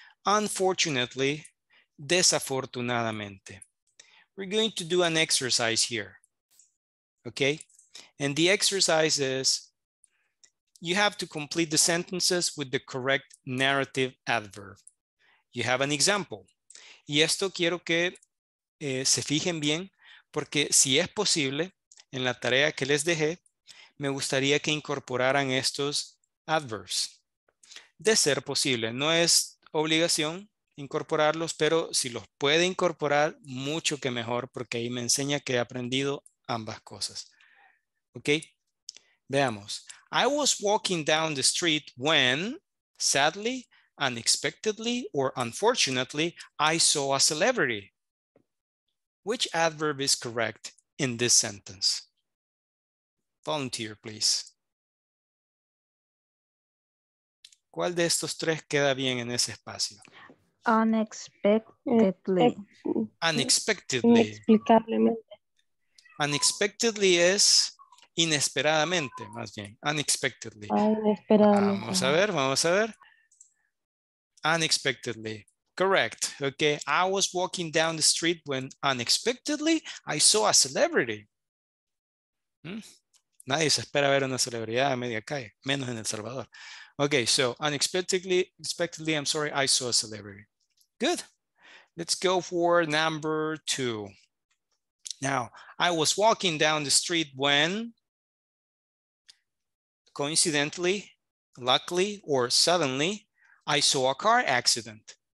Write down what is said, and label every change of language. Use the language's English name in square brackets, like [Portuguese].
[English] Unfortunately, [Spanish] desafortunadamente. [English] We're going to do an exercise here, okay? And the exercise is, you have to complete the sentences with the correct narrative adverb. You have an example. [Spanish] Y esto quiero que se fijen bien, porque si es posible, en la tarea que les dejé, me gustaría que incorporaran estos adverbs. De ser posible, no es obligación incorporarlos, pero si los puede incorporar, mucho que mejor, porque ahí me enseña que he aprendido ambas cosas. ¿Ok? Veamos. [English] I was walking down the street when, sadly, unexpectedly, or unfortunately, I saw a celebrity. Which adverb is correct in this sentence? Volunteer, please. [Spanish] ¿Cuál de estos tres queda bien en ese espacio? [English] Unexpectedly. Unexpectedly. [Spanish] Inexplicablemente. [English] Unexpectedly is... [Spanish] inesperadamente, más bien, [English] unexpectedly. [Spanish] Inesperadamente. Vamos a ver, vamos a ver. [English] Unexpectedly, correct, okay. I was walking down the street when unexpectedly I saw a celebrity. [Spanish] Nadie se espera ver una celebridad a media calle, menos en El Salvador. [English] Okay, so unexpectedly, I'm sorry, I saw a celebrity. Good, let's go for number two. Now, I was walking down the street when, coincidentally, luckily, or suddenly, I saw a car accident.